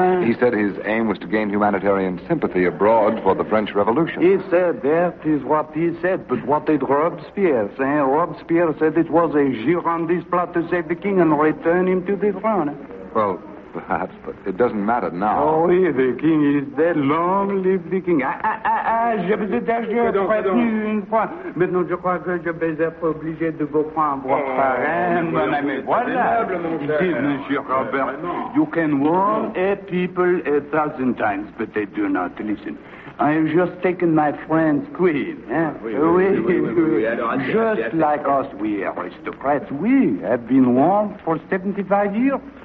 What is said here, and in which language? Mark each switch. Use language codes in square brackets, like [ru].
[en] He said his aim was to gain humanitarian sympathy abroad for the French Revolution. He said that is what he said, but what did Robespierre say? Robespierre said it was a Girondist plot to save the king and return him to the throne. Well, perhaps, but it doesn't matter now. [fr] Oh, oui, [en] the king is dead. Long live the king. [fr] Je vous ai déjà prévenu une fois. Maintenant, je crois que je vais être obligé de vous prendre par un bon ami. Voilà. [en] Monsieur Robert, you can warn a people 1,000 times, but they do not listen. I have just taken my friend's queen. Just like us, we aristocrats, we have been warned for 75 years.